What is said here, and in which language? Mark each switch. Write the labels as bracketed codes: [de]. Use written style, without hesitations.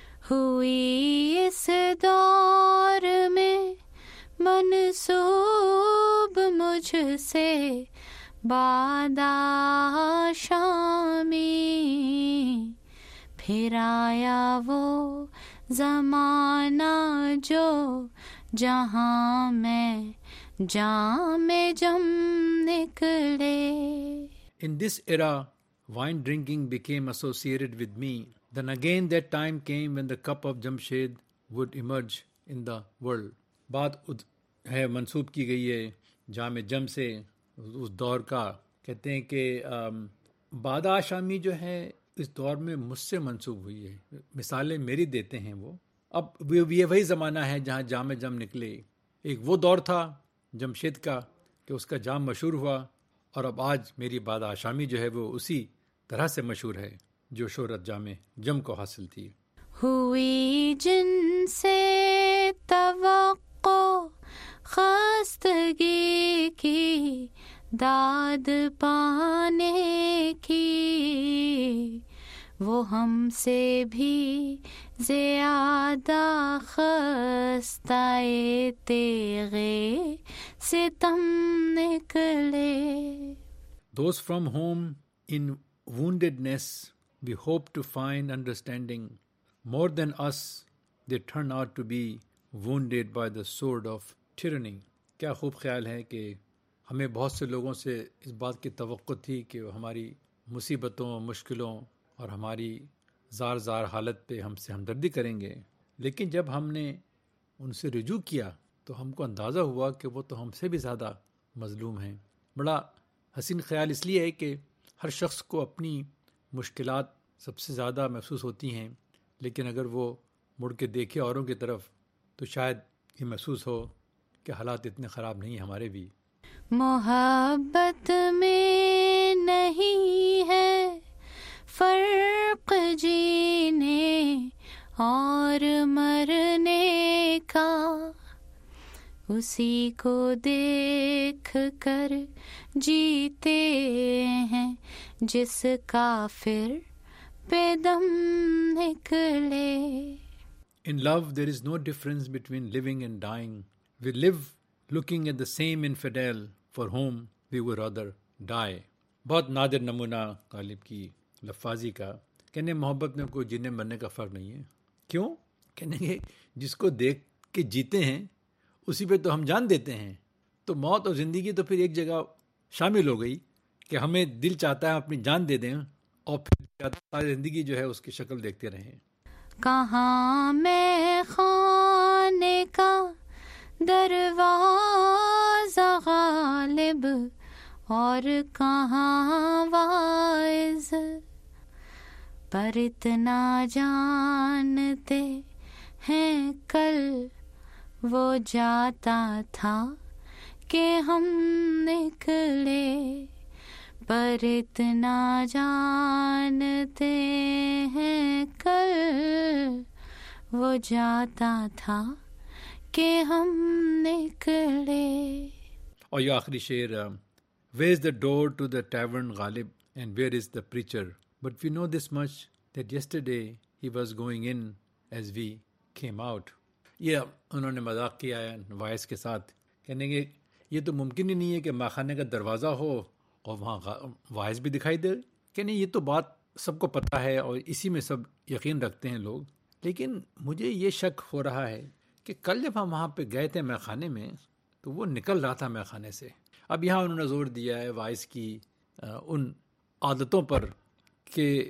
[ur] ہوئی اس دور میں منسوب مجھ سے بادا شامی, پھر آیا وہ زمانہ جو جہاں میں جام جم نکلے. [en] In this era, wine drinking became associated with me. Then again that time came when the cup of Jamshed would emerge in the world. [ur] بات ہے منسوب کی گئی ہے جام جم سے اس دور کا. کہتے ہیں کہ بادا شامی جو ہے اس دور میں مجھ سے منسوب ہوئی ہے. مثالیں میری دیتے ہیں وہ. اب یہ وہی زمانہ ہے جہاں جام جم نکلے. ایک وہ دور تھا جمشید کا کہ اس کا جام مشہور ہوا, اور اب آج میری بادا شامی جو ہے وہ اسی طرح سے مشہور ہے جو شہرت جام جم کو حاصل تھی. ہوئی جن سے توقع خستگی کی داد پانے کی, وہ ہم سے بھی زیادہ خستہ تیغے ستم نکلے. [en] Those from whom in woundedness we hope to find understanding, more than us they turn out to be wounded by the sword of tyranny. [ur] کیا خوب خیال ہے کہ ہمیں بہت سے لوگوں سے اس بات کی توقع تھی کہ وہ ہماری مصیبتوں مشکلوں اور ہماری زار زار حالت پہ ہم سے ہمدردی کریں گے, لیکن جب ہم نے ان سے رجوع کیا تو ہم کو اندازہ ہوا کہ وہ تو ہم سے بھی زیادہ مظلوم ہیں. بڑا حسین خیال اس لیے ہے کہ ہر شخص کو اپنی مشکلات سب سے زیادہ محسوس ہوتی ہیں, لیکن اگر وہ مڑ کے دیکھے اوروں کی طرف تو شاید یہ محسوس ہو کہ حالات اتنے خراب نہیں ہمارے بھی. محبت میں نہیں ہے فرق جینے اور مرنے کا, اسی کو دیکھ کر جیتے ہیں جس کافر پہ دم نکلے. [en] In love there is no difference between living and dying. We live looking at the same infidel for whom we would rather die. [ur] بہت نادر نمونہ غالب کی لفاظی کا. کہنے محبت میں کوئی جینے مرنے کا فرق نہیں ہے. کیوں؟ کہنے کہ جس کو دیکھ کے جیتے ہیں اسی پہ تو ہم جان دیتے ہیں, تو موت اور زندگی تو پھر ایک جگہ شامل ہو گئی کہ ہمیں دل چاہتا ہے اپنی جان دے دیں اور پھر زندگی جو ہے اس کی شکل دیکھتے رہیں. کہاں میں خانے کا دروازہ غالب اور کہاں وائز, پر اتنا جانتے ہیں کل وہ جاتا تھا کہ ہم نکلے, پر اتنا جانتے ہیں کل وہ جاتا تھا کہ ہم نکلے. اور یہ آخری شعر, [en] where is the door to the tavern Ghalib and where is the preacher, but we know this much that yesterday he was going in as we came out. یہ انہوں نے مذاق کیا ہے وائس کے ساتھ, کہنے کہ یہ تو ممکن ہی نہیں ہے کہ ماخانے کا دروازہ ہو اور وہاں وائس بھی دکھائی دے. کہنے یہ تو بات سب کو پتہ ہے اور اسی میں سب یقین رکھتے ہیں لوگ، لیکن مجھے یہ شک ہو رہا ہے کہ کل جب ہم وہاں پہ گئے تھے میخانے میں تو وہ نکل رہا تھا میخانے سے، اب یہاں انہوں نے زور دیا ہے وائس کی ان عادتوں پر کہ